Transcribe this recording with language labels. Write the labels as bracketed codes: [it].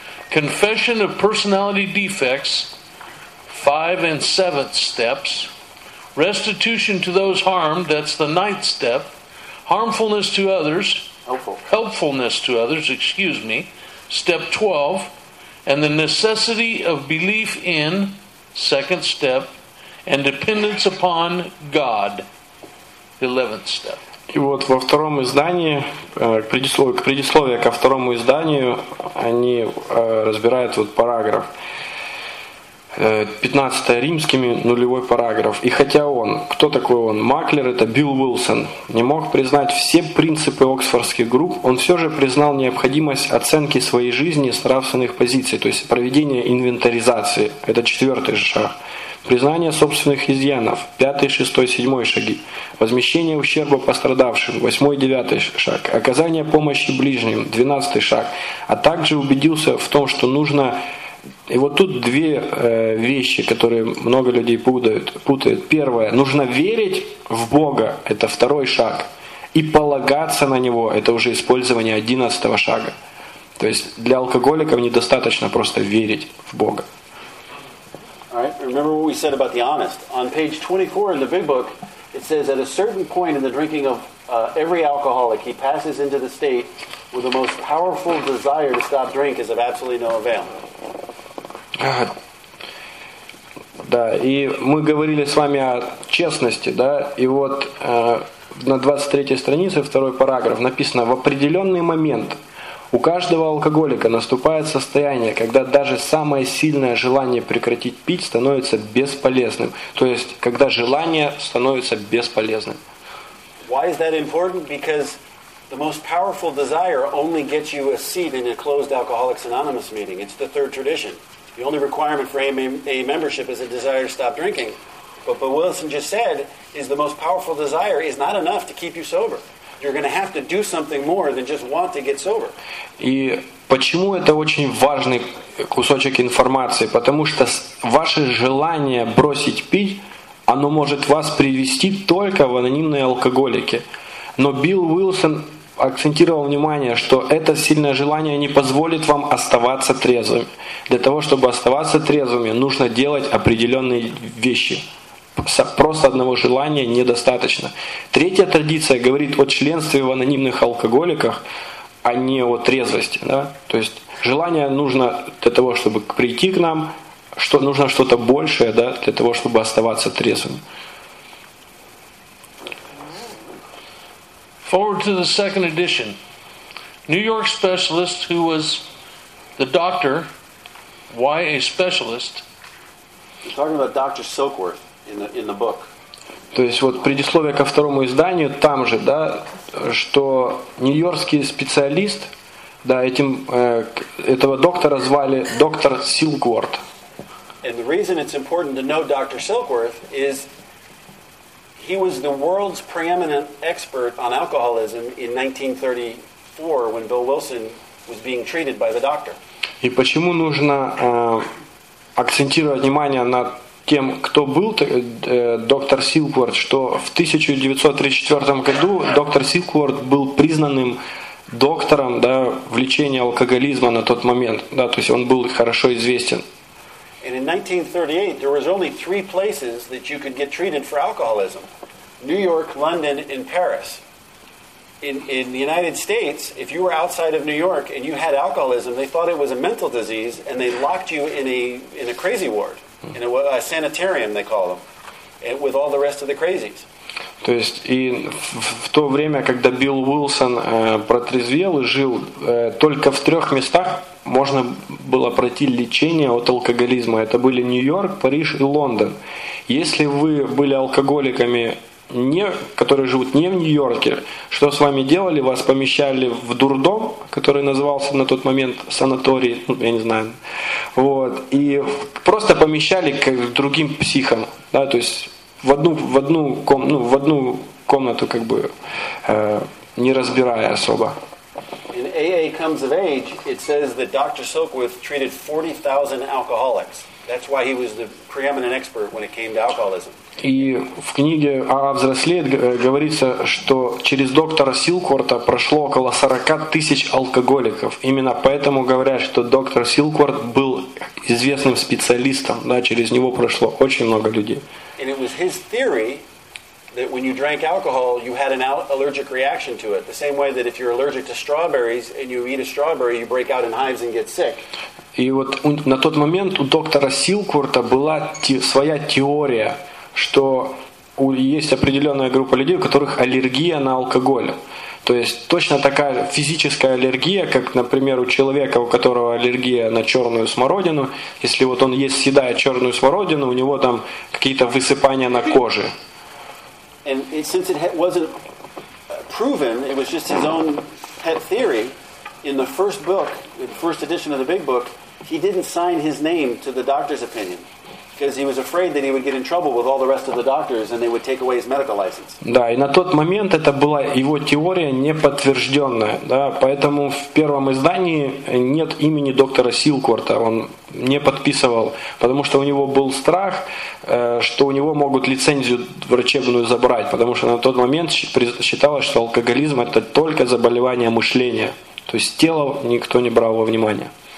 [en] confession of personality defects, five and seventh steps, restitution to those harmed, that's the ninth step, harmfulness to others, helpfulness to others, step 12, and the necessity of belief in, second step, and dependence upon God, 11th step. [ru] И вот во втором издании, к предисловию ко второму изданию, они разбирают вот параграф. 15 римскими нулевой параграф. И хотя он, кто такой он? Маклер, это Билл Уилсон, не мог признать все принципы оксфордских групп, он все же признал необходимость оценки своей жизни с нравственных позиций, то есть проведение инвентаризации. Это 4-й шаг. Признание собственных изъянов. 5-й, 6-й, 7-й шаги. Возмещение ущерба пострадавшим. 8-й, 9-й шаг. Оказание помощи ближним. 12-й шаг. А также убедился в том, что нужно... И вот тут две вещи, которые много людей путают. Первое. Нужно верить в Бога. Это 2-й шаг. И полагаться на Него. Это уже использование 11-го шага. То есть для алкоголиков недостаточно просто верить в Бога. [en] Right? Remember what we said about the honest. On page 24 in the Big Book, it says at a certain point in the drinking of every alcoholic, he passes into the state where the most powerful desire to stop drink is of absolutely no avail. [ru] Да, и мы говорили с вами о честности, да, и вот на 23-й странице, 2-й параграф, написано: в определенный момент у каждого алкоголика наступает состояние, когда даже самое сильное желание прекратить пить становится бесполезным. То есть, когда желание становится бесполезным. [en] Why is that important? Because the most powerful desire only gets you a seat in a closed Alcoholics Anonymous meeting. It's the third tradition. The only requirement for AA membership is a desire to stop drinking. But what Wilson just said is the most powerful desire is not enough to keep you sober. You're going to have to do something more than just want to get sober. [ru] И почему это очень важный кусочек информации? Потому что ваше желание бросить пить, оно может вас привести только в анонимные алкоголики. Но Билл Уилсон акцентировал внимание, что это сильное желание не позволит вам оставаться трезвым. Для того, чтобы оставаться трезвыми, нужно делать определенные вещи. Просто одного желания недостаточно. Третья традиция говорит о членстве в анонимных алкоголиках, а не о трезвости. Да? То есть желание нужно для того, чтобы прийти к нам, что нужно что-то большее, да, для того, чтобы оставаться трезвым. [en] Forward to the second edition. New York specialist who was the doctor. Why a specialist? You're talking about Dr. Silkworth. In the book. [ru] То есть вот предисловие ко второму изданию там же, да, что нью-йоркский специалист, да, этим этого доктора звали доктор Silkworth. [en] And the reason it's important to know Dr. Silkworth is he was the world's preeminent expert on alcoholism in 1934 when Bill Wilson was being treated by the doctor. [ru] И почему нужно акцентировать внимание на тем, кто был доктор Силкворт, что в 1934 году доктор Силкворт был признанным доктором, да, в лечении алкоголизма на тот момент, да, то есть он был хорошо известен. [en] And in 1938 there was only three places that you could get treated for alcoholism: New York, London, and Paris. In the United States, if you were outside of New York and you had alcoholism, they thought it was a mental disease and they locked you in a crazy ward. In a sanitarium, they call them, with all the rest of the crazies. [ru] То есть и в то время, когда Билл Уилсон протрезвел и жил, только в трех местах можно было пройти лечение от алкоголизма. Это были Нью-Йорк, Париж и Лондон. Если вы были алкоголиками, которые живут не в Нью-Йорке, что с вами делали? Вас помещали в дурдом, который назывался на тот момент санаторий, я не знаю. Вот. И просто помещали к другим психам, да, то есть в одну комнату, как бы не разбирая особо. [en] In AA Comes of Age, it says that Dr. Silkworth treated 40,000 alcoholics. That's why he was the preeminent expert when it came to alcoholism. [ru] И в книге «АА взрослеет» говорится, что через доктора Силкворта прошло около 40 тысяч алкоголиков. Именно поэтому говорят, что доктор Силкворт был известным специалистом. Да, через него прошло очень много людей. [en] And it was his theory that when you drank alcohol, you had an allergic reaction to it. The same way that if you're allergic to strawberries and you eat a strawberry, you break out in hives and get sick. [ru] И вот на тот момент у доктора Силкворта была своя теория, что есть определенная группа людей, у которых аллергия на алкоголь. То есть точно такая физическая аллергия, как, например, у человека, у которого аллергия на черную смородину. Если вот он ест, съедает черную смородину, у него там какие-то высыпания на коже. [en] And since it wasn't proven, it was just his own pet theory, in the first book, the first edition of the Big Book, he didn't sign his name to the doctor's opinion. Because he was afraid that he would get in trouble with all the rest of the doctors and they would take away his medical license. [ru] Да, и на тот момент это была его теория неподтвержденная, да, поэтому в первом издании нет имени доктора Силкворта, он не подписывал, потому что у него был страх, что у него могут лицензию врачебную забрать, потому что на тот момент считалось, что алкоголизм это только заболевание мышления, то есть тело никто не брал во внимание.